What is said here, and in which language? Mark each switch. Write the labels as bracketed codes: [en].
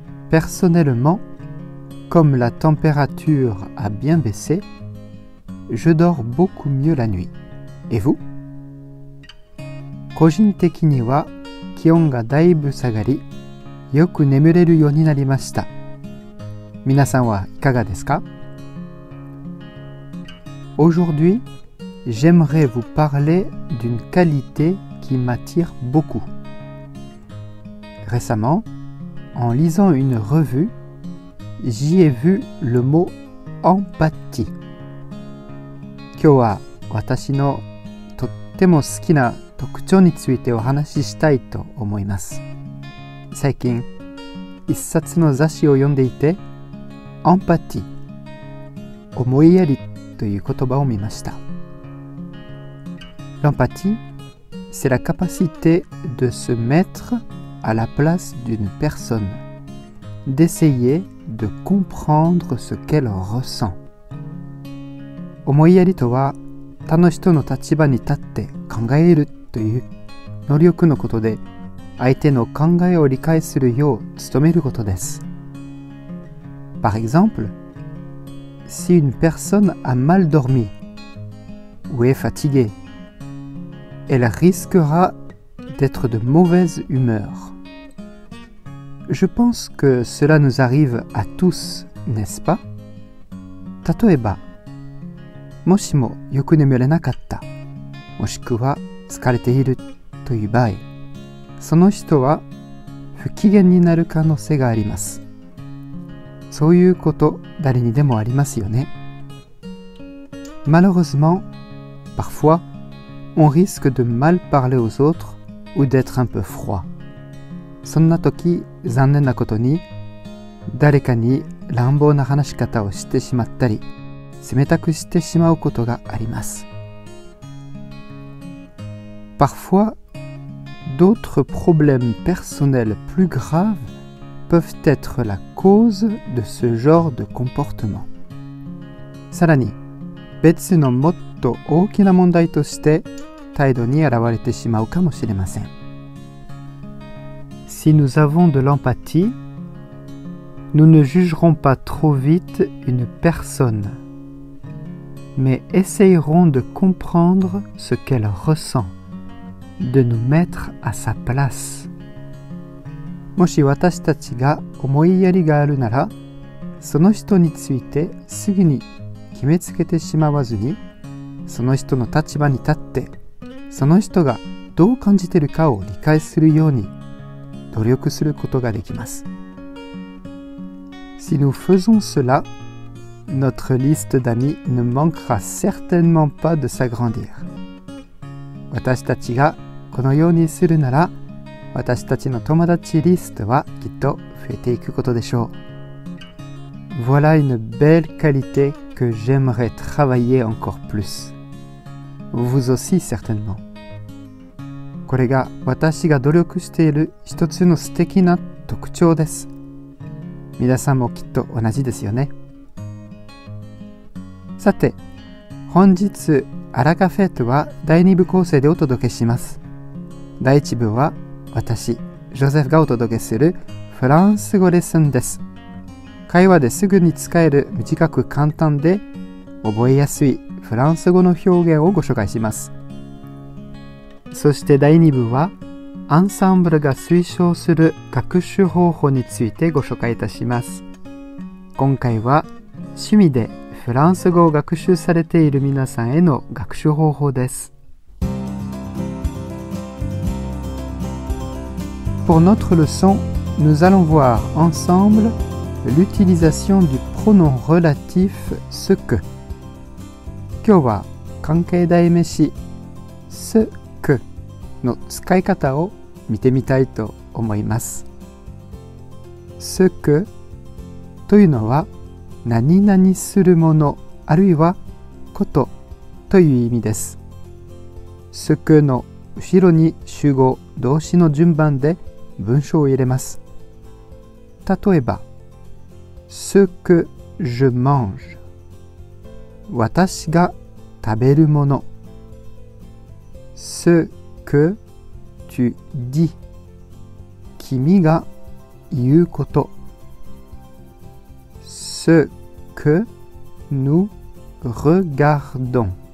[fr] Personnellement, comme la température a bien baissé, je dors beaucoup mieux la nuit. Et vous? [ja] 個人的には気温がだいぶ下がり、よく眠れるようになりました。皆さんはいかがですか? [fr] Aujourd'hui,J'aimerais vous parler d'une qualité qui m'attire beaucoup. Récemment, en lisant une revue, j'y ai vu le mot empathie. [ja] 今日は私のとっても好きな特徴についてお話ししたいと思います。最近、一冊の雑誌を読んでいて、empathie、思いやりという言葉を見ました。 [fr] L'empathie, c'est la capacité de se mettre à la place d'une personne, d'essayer de comprendre ce qu'elle ressent. [ja] 思いやりとは、他の人の立場に立って考えるという能力のことで、相手の考えを理解するよう努めることです。 [fr] Par exemple, si une personne a mal dormi ou est fatiguée,Elle risquera d'être de mauvaise humeur. Je pense que cela nous arrive à tous, n'est-ce pas? [ja] 例えば、もしもよく眠れなかった、もしくは疲れているという場合、その人は不機嫌になる可能性があります。そういうこと、誰にでもありますよね。 [fr] Malheureusement, parfois,On risque de mal parler aux autres ou d'être un peu froid. [ja] そんな時、残念なことに、誰かに乱暴な話し方をしてしまったり、冷たくしてしまうことがあります。 [fr] Parfois, d'autres problèmes personnels plus graves peuvent être la cause de ce genre de comportement. [ja] さらに、別のもっと大きな問題として、態度に現れてしまうかもしれません。 [fr] Si nous avons de l'empathie, nous ne jugerons pas trop vite une personne, mais essayerons de comprendre ce qu'elle ressent, de nous mettre à sa place. [ja] もし私たちが思いやりがあるなら、その人についてすぐに決めつけてしまわずに、その人の立場に立ってその人がどう感じているかを理解するように努力することができます。 [fr] Si nous faisons cela, notre liste d'amis ne manquera certainement pas de s'agrandir. [ja] 私たちがこのようにするなら、私たちの友達リストはきっと増えていくことでしょう。 [fr] Voilà une belle qualité que j'aimerais travailler encore plus. Vous aussi certainement. [ja] これが私が努力している一つの素敵な特徴です。皆さんもきっと同じですよね。さて、本日アラカフェットは第二部構成でお届けします。第一部は私、ジョゼフがお届けするフランス語レッスンです。会話ですぐに使える短く簡単で覚えやすいフランス語の表現をご紹介します。そして第2部はアンサンブルが推奨する学習方法についてご紹介いたします。今回は趣味でフランス語を学習されている皆さんへの学習方法です。 [fr] Pour notre leçon, nous allons voir ensemble l'utilisation du pronom relatif ce que. [ja] 今日は関係代名詞ce que の使い方を見てみたいと思います。 ce que というのは何々するものあるいはことという意味です。 ce que の後ろに主語、動詞の順番で文章を入れます。例えば、 [fr] ce que je mange。 [ja] 私が食べるもの。 [fr] ce que tu dis。 [ja] 君が言うこと。 [fr] ce que nous regardons。